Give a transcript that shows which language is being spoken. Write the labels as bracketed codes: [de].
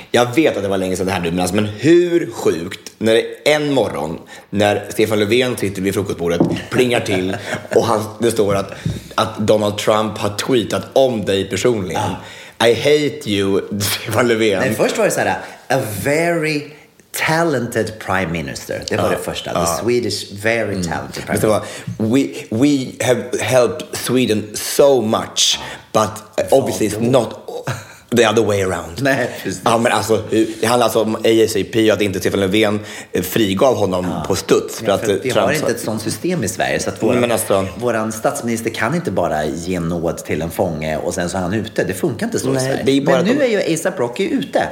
[sv] Jag vet att det var länge sedan det här, men hur sjukt när det en morgon när Stefan Löfven sitter vid frukostbordet, plingar till och det står att Donald Trump har tweetat om dig personligen. [en] I hate you, Stefan Löfven. [sv] Men först var det så här, [en] a very talented prime minister. [sv] Det var det första. [en] The Swedish very talented prime minister. We have helped Sweden so much, but obviously it's not the other way around. [sv] Nej, ja, men alltså, det handlar alltså om ASAP och att inte Stefan Löfven frigav honom på studs. Ja, vi har inte ett sånt system i Sverige, så att våran statsminister kan inte bara ge nåd till en fånge och sen så är han ute. Det funkar inte så. Men nu är ju ASAP Rocky ute.